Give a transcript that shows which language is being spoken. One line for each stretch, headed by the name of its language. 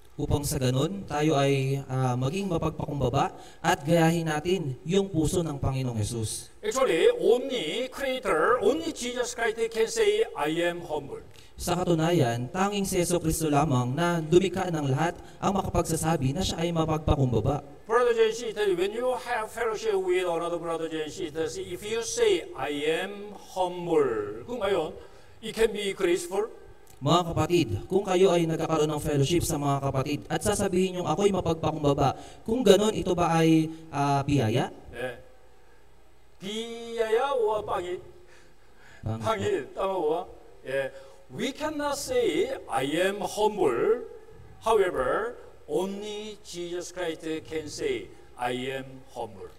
Filipino: Upang sa ganun, tayo ay maging mapagpakumbaba at gayahin natin yung puso ng Panginoong Jesus.
English: Actually, only Creator, only Jesus Christ can say, I am humble.
Filipino: Sa katunayan, tanging si Jesus Kristo lamang na dumika ng lahat ang makapagsasabi na siya ay mapagpakumbaba.
English: Brothers and sisters, when you have fellowship with another brothers and sisters, if you say, I am humble,
Filipino: kung ngayon,
English: it can be graceful.
Filipino: Mga kapatid, kung kayo ay nagkakaroon ng fellowship sa mga kapatid at sasabihin niyo ako'y mapagpakumbaba, kung ganun, ito ba ay biyaya? Biyaya o pangit? Pangit, tama po.
English: We cannot say, I am humble. However, only Jesus Christ can say, I am humble.